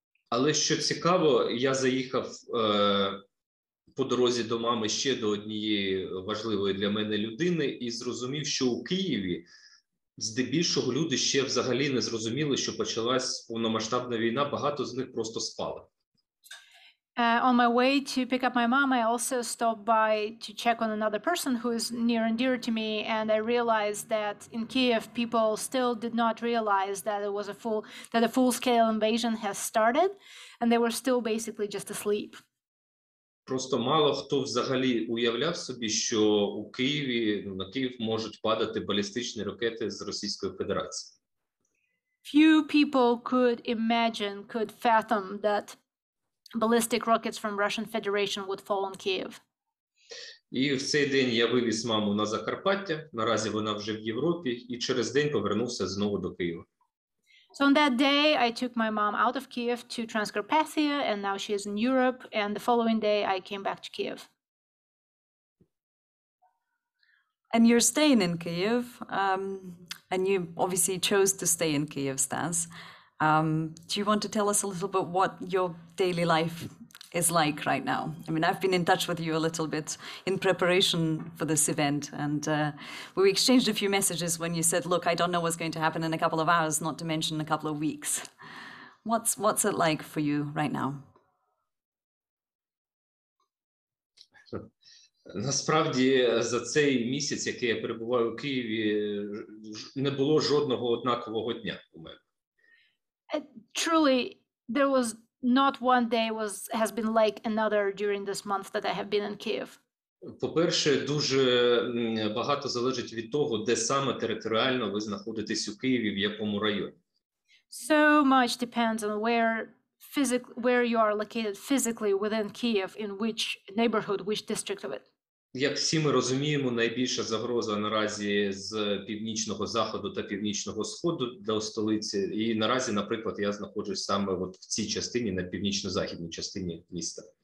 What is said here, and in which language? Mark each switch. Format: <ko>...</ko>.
<uk>Але що цікаво, я заїхав по дорозі до мами ще до однієї важливої для мене людини і зрозумів, що у Києві здебільшого люди ще взагалі не зрозуміли, що почалась повномасштабна війна, багато з них просто спали.</uk> <en>On my way to pick up my mom, I also stopped by to check on another person who is near and dear to me, and I realized that in Kyiv, people still did not realize that it was a full-scale invasion has started, and they were still basically just asleep.</en> <uk>Просто мало хто взагалі уявляв собі, що у Києві на Київ можуть падати балістичні ракети з Російської Федерації.</uk> <en>Few people could fathom that ballistic rockets from Russian Federation would fall on Kyiv.</en> <uk>І в цей день я вивіз маму на Закарпаття, наразі вона вже в Європі, і через день повернувся знову до Києва.</uk> <en>So on that day I took my mom out of Kyiv to Transcarpathia, and now she is in Europe, and the following day I came back to Kyiv. And you're staying in Kyiv, and you obviously chose to stay in Kyiv, Stas. Do you want to tell us a little bit what your daily life is like right now? I mean, I've been in touch with you a little bit in preparation for this event, and we exchanged a few messages when you said, look, I don't know what's going to happen in a couple of hours, not to mention a couple of weeks. What's it like for you right now?</en> <uk>Насправді, за цей місяць, який я перебуваю у Києві, не було жодного однакового дня у мене.</uk> <en>Truly, there was not one day has been like another during this month that I have been in Kyiv.</en> <uk>По-перше, дуже багато залежить від того, де саме територіально ви знаходитесь у Києві, в якому районі.</uk> <en>So much depends on where you are located physically within Kyiv, in which neighborhood, which district of it.</en> <uk>Як всі ми розуміємо, найбільша загроза наразі з північного заходу та північного сходу до столиці. І наразі, наприклад, я знаходжусь саме от в цій частині, на північно-західній частині міста.</uk>